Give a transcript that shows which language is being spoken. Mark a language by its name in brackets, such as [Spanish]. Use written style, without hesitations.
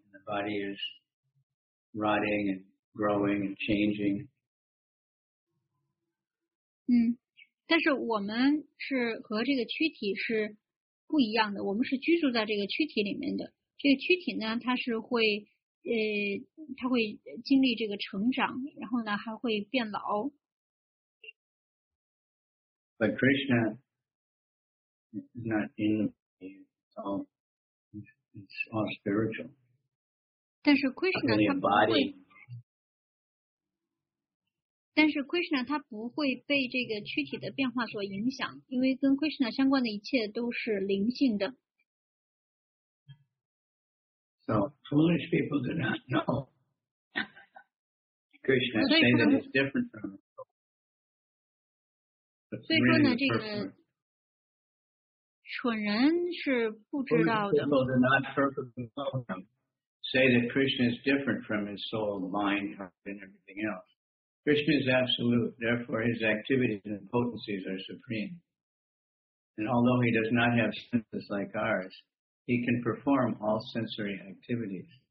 [English] The body is rotting and growing and changing. [Chinese] 但是我们是和这个躯体是不一样的，我们是居住在这个躯体里面的。这个躯体呢，它是会，它会经历这个成长，然后呢，还会变老。 [English] But Krishna is not in the body; it's all spiritual. [Chinese] 但是 Krishna 他不会，但是 Krishna 他不会被这个躯体的变化所影响，因为跟 Krishna 相关的一切都是灵性的。 [English] So foolish people do not know Krishna saying that it's different from it. [Chinese] 所以说呢，这个蠢人是不知道的。 [English] Foolish people do not perfectly know him. Say that Krishna is different from his soul, mind, heart, and everything else. Krishna is absolute, therefore his activities and potencies are supreme. And although he does not have senses like ours, he can perform all sensory activities.